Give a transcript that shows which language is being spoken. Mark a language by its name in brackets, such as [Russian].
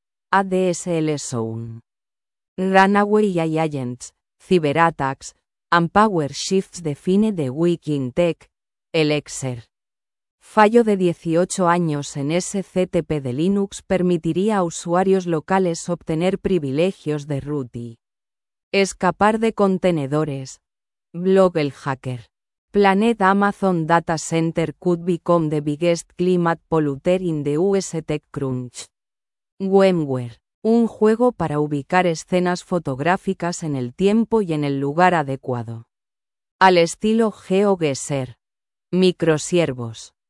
[English] ADSL Zone. Runaway AI Agents, Cyberattacks, and Power Shifts define The Week in Tech, Elixir. [Spanish] Fallo de 18 años en SCTP de Linux permitiría a usuarios locales obtener privilegios de root y escapar de contenedores. Blog El Hacker. [English] Planet Amazon Data Center could become the biggest climate polluter in the US. TechCrunch. VMware. [Spanish] Un juego para ubicar escenas fotográficas en el tiempo y en el lugar adecuado. Al estilo GeoGuessr. Microsiervos.